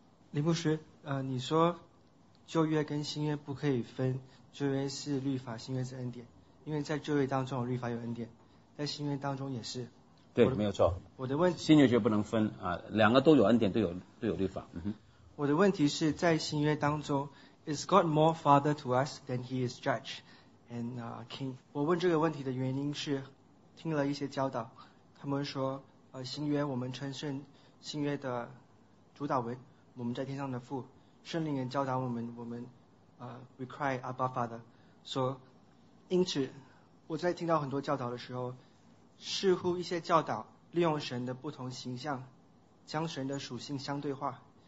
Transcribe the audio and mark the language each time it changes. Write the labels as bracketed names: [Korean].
[Chinese] 林牧师，你说旧约跟新约不可以分，旧约是律法，新约是恩典，因为在旧约当中有律法有恩典，在新约当中也是。对，没有错。我的问题，新约就不能分啊，两个都有恩典，都有律法。嗯哼。我的问题是在新约当中 [English] ，Is God more Father to us than He is Judge and King？ [Chinese] 我问这个问题的原因是，听了一些教导，他们说，新约我们称圣，新约的主导为我们在天上的父，圣灵也教导我们， [English] we cry Abba Father。 [Chinese] 所以，因此我在听到很多教导的时候，似乎一些教导利用神的不同形象，将神的属性相对化。